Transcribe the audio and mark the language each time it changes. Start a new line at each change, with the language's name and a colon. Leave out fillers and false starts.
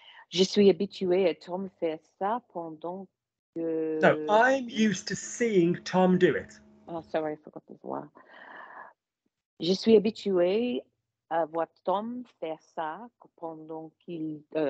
French: Je suis habitué à Tom faire ça pendant que...
English: No, I'm used to seeing Tom do it. Oh, sorry, I forgot the voix.
French: Je suis habitué à voir Tom faire ça pendant qu'il...